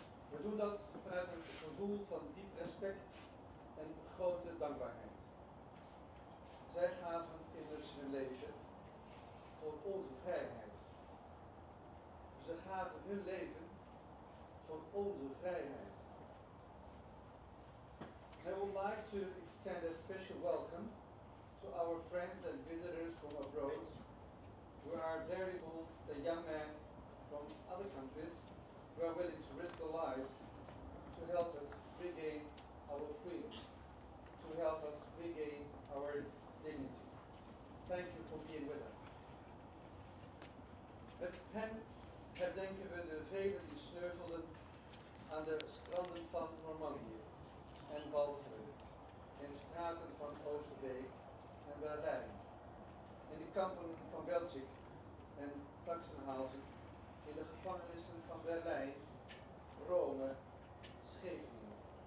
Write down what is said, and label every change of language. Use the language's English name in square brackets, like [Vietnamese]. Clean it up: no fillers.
[Dutch] We doen dat vanuit een gevoel van diep respect en grote dankbaarheid. Zij gaven immers hun leven voor onze vrijheid. Ze gaven hun leven voor onze vrijheid. [English] I would like to extend a special welcome to our friends and visitors from abroad who are very bold, the young men from other countries who are willing to risk their lives to help us regain our freedom, to help us regain our dignity. Thank you for being with us. [Dutch] Met hen herdenken we de velen die sneuvelden aan de stranden van Normandië en Walcheren, in de straten van Oosterbeek en Berlijn, in de kampen van Belzec en Sachsenhausen, in de gevangenissen van Berlijn, Rome, Scheveningen.